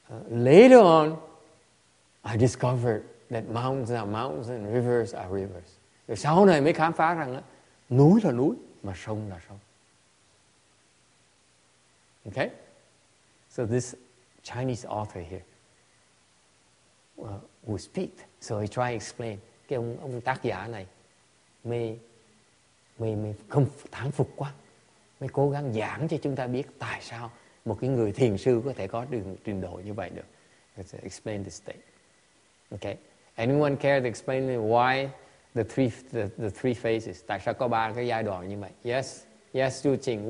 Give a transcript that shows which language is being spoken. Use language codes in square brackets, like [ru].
[en] Later on, I discovered that mountains are mountains and rivers are rivers. [vi] Sau này mới khám phá rằng núi là núi mà sông là sông. [en] Okay? So this Chinese author here who speak, so he try to explain. [vi] Cái ông tác giả này mới không thán phục quá, mới cố gắng giảng cho chúng ta biết tại sao một cái người thiền sư có thể có đường trình độ như vậy được. [en] Let's explain this state. Okay? Anyone care to explain why the three phases? [vi] Tại sao có ba cái giai đoạn như vậy? [en] Yes, yes, [vi] Du Ching.